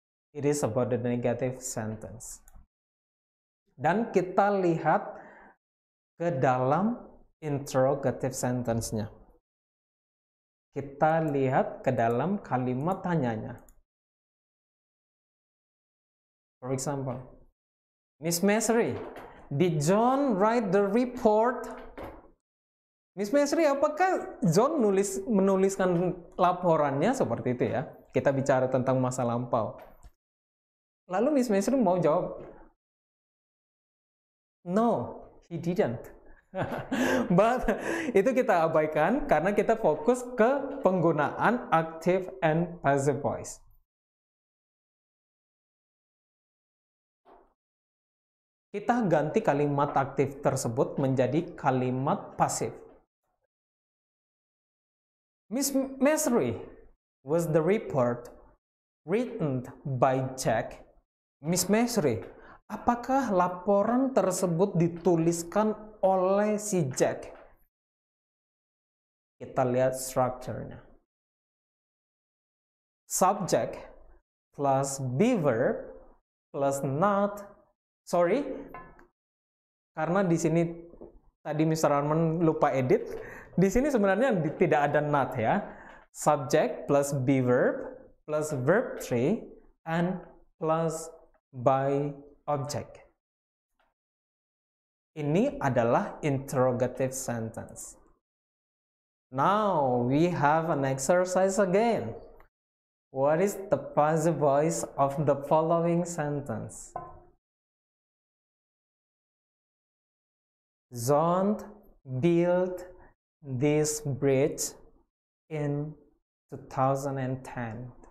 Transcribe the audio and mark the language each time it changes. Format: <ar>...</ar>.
<en>It is about the negative sentence.</en> <id>Dan kita lihat ke dalam</id> <en>interrogative sentence-nya.</en> <id>Kita lihat ke dalam kalimat tanyanya.</id> <en>For example, Miss Masri, did John write the report?</en> <id>Miss Masri, apakah John menuliskan laporannya? Seperti itu ya. Kita bicara tentang masa lampau. Lalu Miss Masri mau jawab,</id> <en>no, he didn't.</en> <id>But itu kita abaikan karena kita fokus ke penggunaan active and passive voice. Kita ganti kalimat aktif tersebut menjadi kalimat pasif.</id> <en>Miss Masri, was the report written by Jack?</en> <id>Miss Masri, apakah laporan tersebut dituliskan oleh si Jack? Kita lihat structure-nya.</id> <en>Subject plus be verb plus not.</en> <id>Sorry, karena di sini tadi Mr. Arman lupa edit. Di sini sebenarnya tidak ada not ya.</id> <en>Subject plus be verb plus verb 3 and plus by object.</en> <id>Ini adalah interrogative sentence.</id> <en>Now we have an exercise again. What is the passive voice of the following sentence? John built this bridge in 2010.</en>